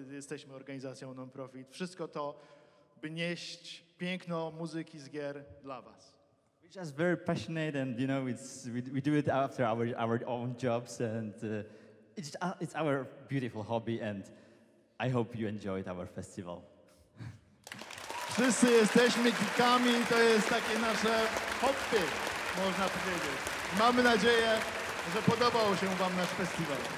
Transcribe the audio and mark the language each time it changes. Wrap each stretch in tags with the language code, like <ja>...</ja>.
<pl>Jesteśmy organizacją non-profit. Wszystko to, by nieść piękno muzyki z gier dla was.</pl> <en>We're just very passionate and you know, we do it after our own jobs and it's our beautiful hobby and I hope you enjoyed our festival.</en> <pl>Wszyscy jesteśmy geekami, to jest takie nasze hobby, można powiedzieć. Mamy nadzieję, że podobał się wam nasz festiwal.</pl>